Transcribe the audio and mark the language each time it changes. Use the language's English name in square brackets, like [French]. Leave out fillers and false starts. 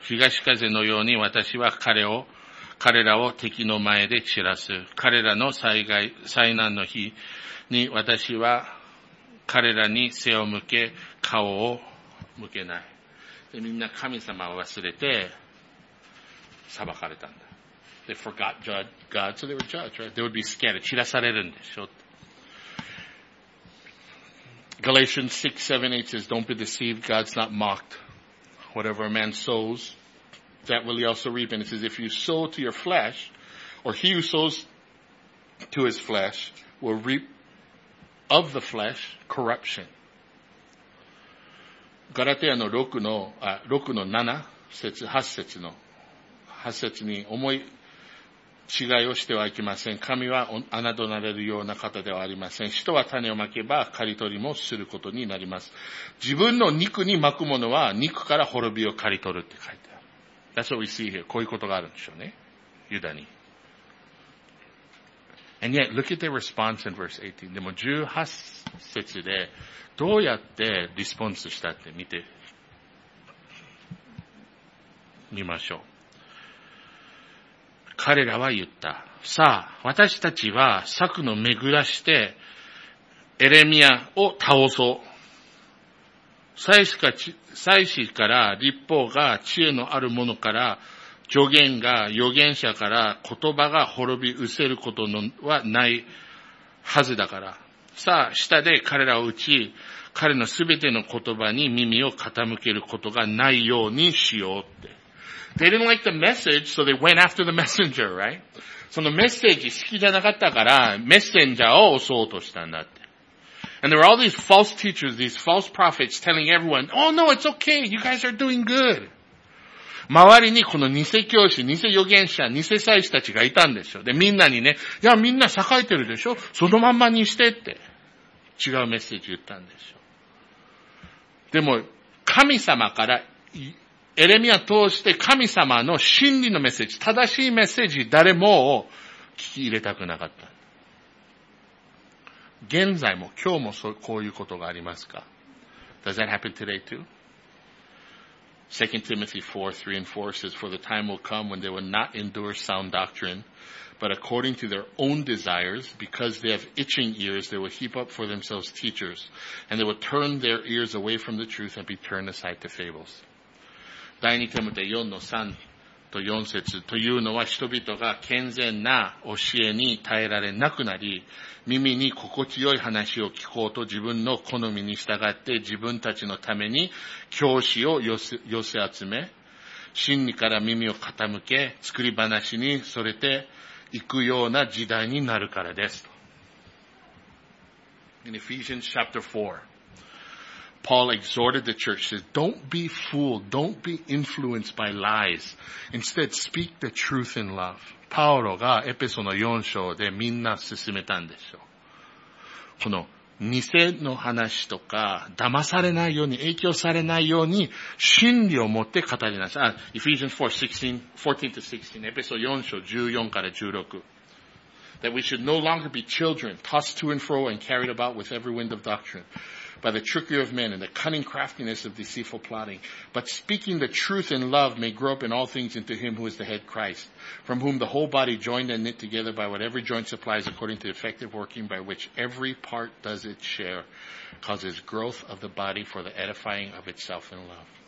[Japanese] 東風のように私は彼らを敵の前で散らす。彼らの災難の日に私は彼らに背を向け、顔を向けない。で、みんな神様を忘れて、裁かれたんだ。 [English] They forgot God, so they were judged, right? They would be scattered. [Japanese] 散らされるんでしょ。 [English] Galatians 6, 7, 8 says, Don't be deceived, God's not mocked. Whatever a man sows, that will he also reap. And it says, If you sow to your flesh, or he who sows to his flesh will reap of the flesh corruption. [Japanese] ガラテヤの6の7節、8節の八節に思い違いをしてはいけません。神は侮られるような方ではありません。人は種をまけば刈り取りもすることになります。自分の肉にまくものは肉から滅びを刈り取るって書いてある。 [English] That's what we see here. [Japanese] こういうことがあるんでしょうね。ユダに。 [English] And yet, look at their response in verse 18. [Japanese] でも18節でどうやってリスポンスしたって見てみましょう。彼らは言った。さあ、私たちは策の巡らして、エレミアを倒そう。祭司から立法が知恵のあるものから、助言が預言者から言葉が滅び失せることはないはずだから。さあ、下で彼らを打ち、彼のすべての言葉に耳を傾けることがないようにしようって。 [English] They didn't like the message, so they went after the messenger, right? [Japanese] そのメッセージ好きじゃなかったから、メッセンジャーを襲おうとしたんだって。 [English] And there were all these false teachers, these false prophets telling everyone, oh no, it's okay, you guys are doing good. [Japanese] 周りにこの偽教師、偽預言者、偽祭司たちがいたんですよ。で、みんなにね、いやみんな栄えてるでしょ、そのまんまにしてって。違うメッセージ言ったんですよ。でも、神様から、エレミア通して神様の真理のメッセージ、正しいメッセージ、誰も聞き入れたくなかった。現在も今日もそう、こういうことがありますか? [English] Does that happen today too? 2 Timothy 4, 3 and 4 says, For the time will come when they will not endure sound doctrine, but according to their own desires, because they have itching ears, they will heap up for themselves teachers, and they will turn their ears away from the truth and be turned aside to fables. [Japanese] 第2テモテ4の3と4節というのは人々が健全な教えに耐えられなくなり、耳に心地よい話を聞こうと自分の好みに従って自分たちのために教師を寄せ集め、真理から耳を傾け、作り話にそれていくような時代になるからです。 [English] In Ephesians chapter 4, Paul exhorted the church, says, don't be fooled, don't be influenced by lies. Instead, speak the truth in love. [Japanese] パウロがエペソの4章でみんな進めたんですよ。この偽の話とか、騙されないように、影響されないように、真理を持って語りなさい。 [English] Ephesians 4:14-16, Ephesians 4章14から16。 That we should no longer be children, tossed to and fro and carried about with every wind of doctrine, by the trickery of men and the cunning craftiness of deceitful plotting, but speaking the truth in love may grow up in all things into him who is the head Christ, from whom the whole body joined and knit together by what every joint supplies according to effective working by which every part does its share, causes growth of the body for the edifying of itself in love.